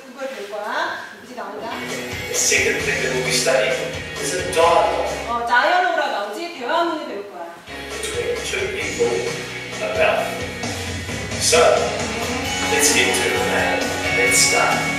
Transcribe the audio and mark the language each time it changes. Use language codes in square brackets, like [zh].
[en] The second thing that we'll be studying is a dialogue. [ko] 다이얼로그라 나오지 대화문을 배울 거야. [en] Between two people about. So let's get to it and let's start.